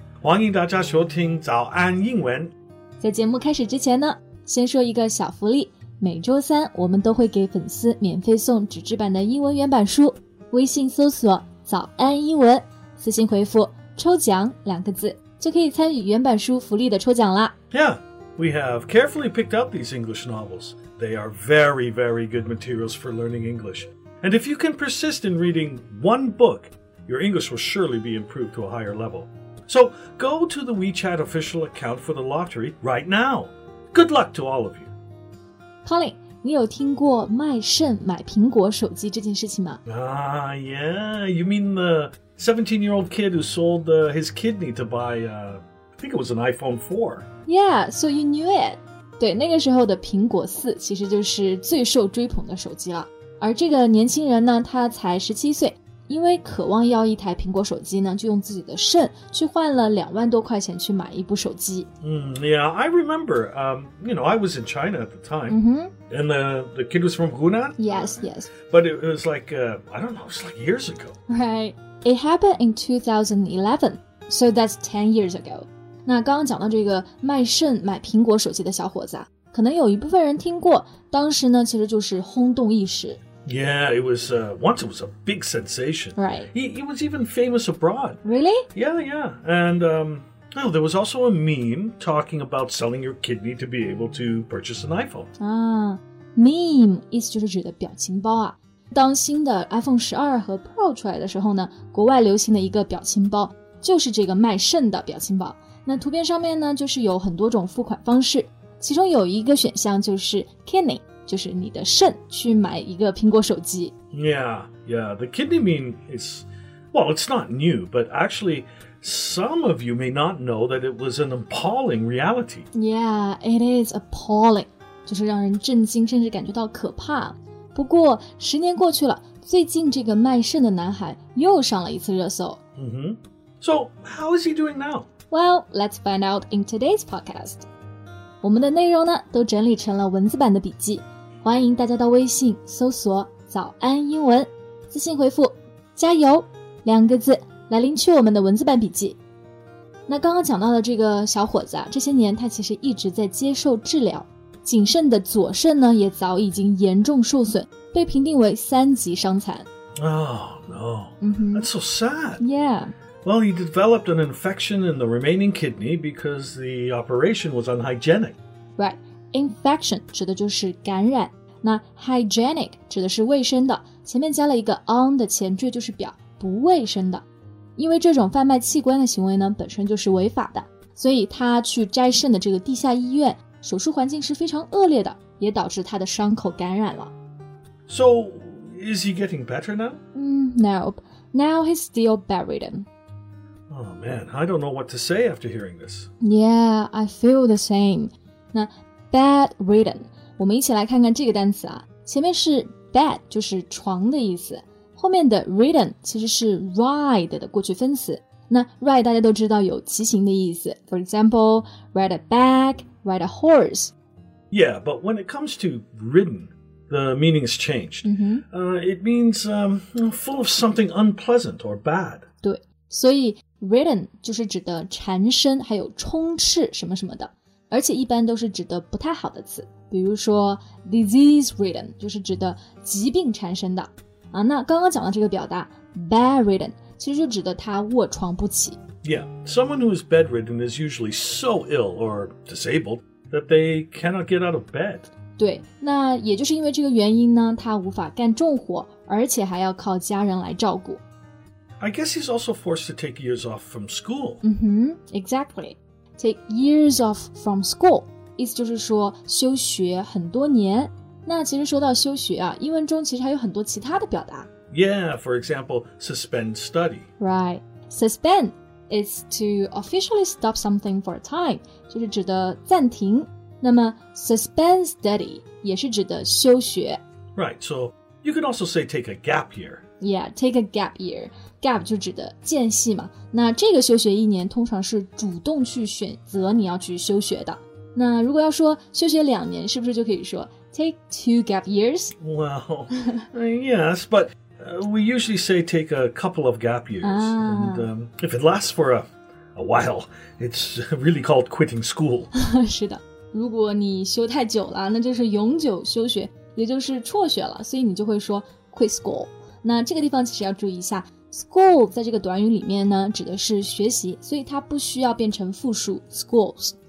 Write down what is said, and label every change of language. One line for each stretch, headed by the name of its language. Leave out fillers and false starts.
Chinese: 欢迎大家收听早安英文。在节目开始之前呢，先说一个小福利。每周三我们都会给粉丝免费送纸质版的英文原版书。微信搜索早安英文，私信回复抽奖两个字，就可以参与原版书福利的抽奖啦。
English: Yeah, we have carefully picked out these English novels. They are very, very good materials for learning English. And if you can persist in reading one book, your English will surely be improved to a higher level. So go to the WeChat official account for the lottery right now. Good luck to all of you.
Chinese: Colin, 你有听过卖肾买苹果手机这件事情吗？
English: Yeah, you mean the 17-year-old kid who sold his kidney to buy, I think it was an iPhone 4. Yeah, so you knew it.
Chinese: 对，那个时候的苹果4其实就是最受追捧的手机了。而这个年轻人呢，他才17岁，因为渴望要一台苹果手机呢，就用自己的肾去换了20,000+去买一部手机。
English: Yeah, I remember, you know, I was in China at the time,、 mm-hmm. and the kid was from Hunan? Yes, yes. But it was like, I don't know, it was like years ago. Right. It happened in 2011, so that's 10 years ago.
Chinese: 那刚刚讲到这个卖肾买苹果手机的小伙子啊，可能有一部分人听过，当时呢其实就是轰动一时。
English: Yeah, it was, once it was a big sensation. Right. He was even famous abroad. Really? Yeah, yeah. And, well, there was also a meme talking about selling your kidney to be able to purchase an iPhone.
Chinese: Meme, 意思就是指的表情包啊。当新的 iPhone 12和 Pro 出来的时候呢，国外流行的一个表情包就是这个卖肾的表情包。那图片上面呢，就是有很多种付款方式，其中有一个选项就是 kidney。就是你的肾去买一个苹果手机。
English: Yeah, yeah. The kidney meme is, well, it's not new, but actually, some of you may not know that it was an appalling reality. Yeah, it is appalling.
Chinese: 就是让人震惊，甚至感觉到可怕。不过十年过去了，最近这个卖肾的男孩又上了一次热搜。
English: Mm-hmm. So how is he doing now? Well, let's find out in today's podcast.
Chinese: 我们的内容呢都整理成了文字版的笔记，欢迎大家到微信搜索早安英文，私信回复加油两个字来领取我们的文字版笔记。那刚刚讲到的这个小伙子啊，这些年他其实一直在接受治疗，仅剩的左肾呢也早已经严重受损，被评定为3级伤残。
English: Oh no、 mm-hmm. That's so sad. Yeah Well, he developed an infection in the remaining kidney because the operation was unhygienic. Right.
Chinese: Infection 指的就是感染。那 hygienic 指的是卫生的。前面加了一个 on 的前缀就是表不卫生的。因为这种贩卖器官的行为呢本身就是违法的。所以他去摘肾的这个地下医院手术环境是非常恶劣的，也导致他的伤口感染了。
English: So, is he getting better now? Nope. Now he's still bedridden. Oh man, I don't know what to say after hearing this. Yeah, I feel the same.
Chinese: 那 bedridden, 我们一起来看看这个单词啊。前面是 bed, 就是床的意思。后面的 ridden 其实是 ride 的过去分词。那 ride 大家都知道有骑行的意思。
English: For example, ride a bag, ride a horse. Yeah, but when it comes to ridden, the meaning has changed.、 Mm-hmm. It means full of something unpleasant or bad.
Chinese: 对。所以 ridden 就是指的缠身还有充斥什么什么的，而且一般都是指的不太好的词，比如说
English: disease ridden
Chinese: 就是指的疾病缠身的啊。那刚刚讲的这个表达 bedridden 其实就指的他卧床不起。
English: Yeah, someone who is bedridden is usually so ill or disabled that they cannot get out of bed.
Chinese: 对，那也就是因为这个原因呢，他无法干重活，而且还要靠家人来照顾。
English: I guess he's also forced to take years off from school. Mm-hmm, exactly. Take years off from school.
Chinese: 意思就是说休学很多年。那其实说到休学啊，英文中其实还有很多其他的表达。
English: Yeah, for example, suspend study. Right. Suspend is to officially stop something for a time.
Chinese: 就是指的暂停。那么
English: suspend study
Chinese: 也是指的休学。
English: Right, so you could also say take a gap year. Yeah, take a gap year. Gap
Chinese: 就指的间隙嘛。那这个休学一年通常是主动去选择你要去休学的。那如果要说休学两年，是不是就可以说
English: take 2 gap years? Well, yes, but We usually say take a couple of gap years. And if it lasts for a while, it's really called quitting school.
Chinese: 是的，如果你休太久了，那就是永久休学，也就是辍学了，所以你就会说
English: quit school。
Chinese: 那这个地方其实要注意一下， school 在这个短语里面呢，指的是学习，所以它不需要变成复数 schools。